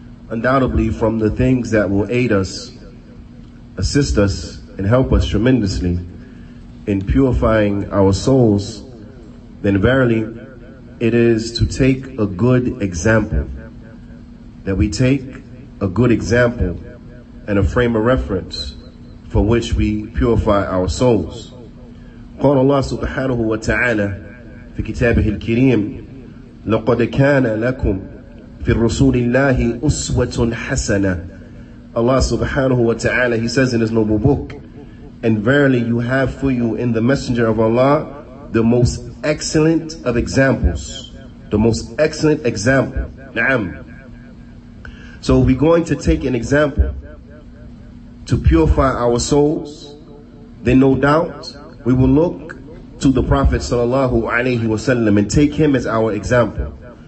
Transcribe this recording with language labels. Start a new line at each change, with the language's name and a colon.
English: Undoubtedly from the things that will aid us, assist us and help us tremendously in purifying our souls, then verily it is to take a good example, that we take a good example and a frame of reference for which we purify our souls.
Arabic: قال الله سبحانه وتعالى في كتابه الكريم لقد كان لكم في الرسول الله أسوة حسنة.
English: Allah subhanahu wa ta'ala, he says in his noble book, and verily you have for you in the Messenger of Allah the most excellent of examples. The most excellent example. Na'am. So we're going to take an example to purify our souls, then no doubt we will look to the Prophet sallallahu alayhi wa sallam and take him as our example.